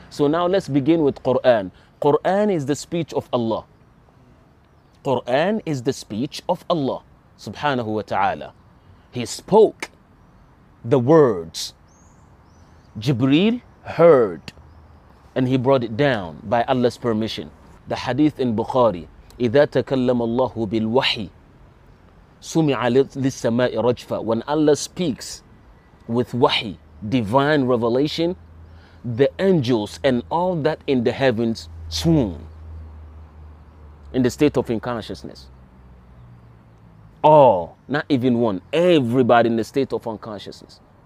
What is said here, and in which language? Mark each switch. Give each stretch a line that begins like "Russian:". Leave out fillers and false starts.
English: So now let's begin with Quran. Quran is the speech of Allah. Quran is the speech of Allah, subhanahu wa ta'ala. He spoke the words. Jibreel heard and he brought it down by Allah's permission. The hadith in Bukhari.
Arabic: إذا تكلم الله بالوحي سمع للسماء رجفة.
English: When Allah speaks with wahi, divine revelation, the angels and all that in the heavens swoon in the state of unconsciousness. all, not even one, everybody in the state of unconsciousness.